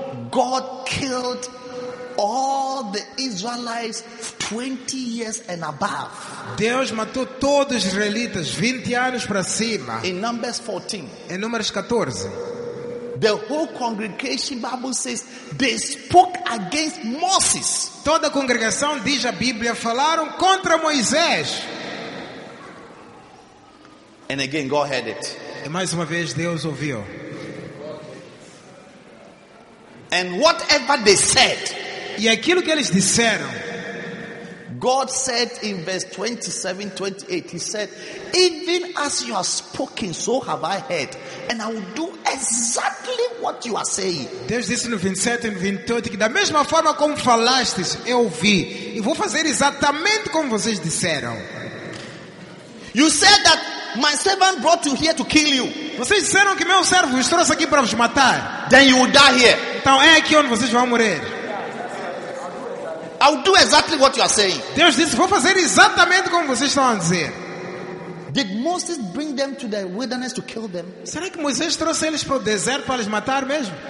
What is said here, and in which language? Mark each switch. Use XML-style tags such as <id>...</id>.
<en>God killed all the Israelites 20 years and above.</en> <pt>Deus matou todos os israelitas 20 anos para cima.</pt> <en>In Numbers 14.</en> <pt>Em Números 14.</pt> <en>The whole congregation, Bible says, they spoke against Moses.</en> <pt>Toda a congregação, diz a Bíblia, falaram contra Moisés.</pt> <en>And again, God heard it.</en> <pt>E mais uma vez Deus ouviu.</pt> <en>And whatever they said,</en> <pt>e aquilo que eles disseram,</pt> <en>God said in verse 27, 28, he said, even as you have spoken, so have I heard, and I will do exactly what you are saying.</en> <pt>Deus disse no 27 e 28 que da mesma forma como falastes, eu ouvi e vou fazer exatamente como vocês disseram.</pt> <en>You said that my servant brought you here to kill you.</en> <pt>Vocês disseram que meu servo vos trouxe aqui para vos matar.</pt> <en>Then you will die here.</en> <pt>Então é aqui onde vocês vão morrer.</pt> <en>I'll do exactly what you are saying.</en> <pt>Deus disse, vou fazer exatamente como vocês estão a dizer.</pt> <en>Did Moses bring them to the wilderness to kill them?</en> <pt>Será que Moisés trouxe eles para o deserto para lhes matar mesmo?</pt>